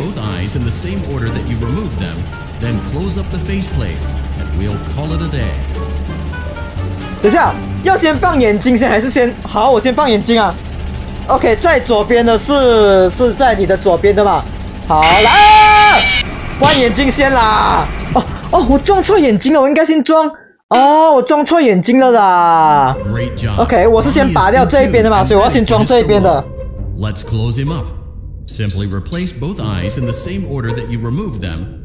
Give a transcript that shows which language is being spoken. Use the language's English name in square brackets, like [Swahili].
[English] Both eyes in the same order that you removed them, then close up the faceplate, and we'll call it a day. [Chinese] 等一下，要先放眼睛先，还是先好？我先放眼睛啊。 OK， 在左边的是在你的左边的嘛？好，来、啊，关眼睛先啦。哦哦，我撞错眼睛了，我应该先装。哦，我撞错眼睛了啦。 [English] Great job. [Chinese] OK， 我是先拔掉这一边的嘛，所以我要先装这一边的。 [English] Let's close him up. Simply replace both eyes in the same order that you removed them.